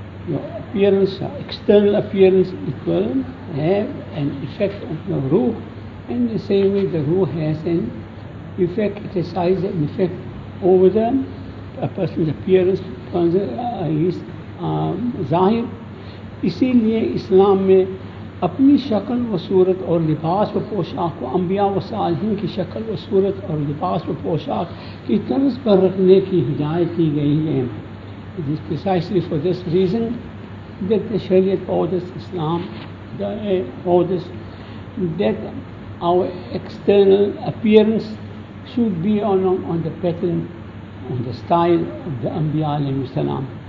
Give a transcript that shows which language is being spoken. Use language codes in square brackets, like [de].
[en] Your appearance, your external appearance, it will have an effect on the ruh. In the same way, the ruh has an effect, it has an effect over them. A person's appearance becomes his zahir. [ur] اسی لیے اسلام میں اپنی شکل و صورت اور لباس و پوشاک کو انبیاء و صالحین کی شکل و صورت اور لباس و پوشاک کی طرز پر رکھنے کی ہدایت کی گئی ہے. [en] It is precisely for this reason that the Shariat orders Islam, orders that our external appearance should be on the pattern, on the style of the Anbiya alayhi salam.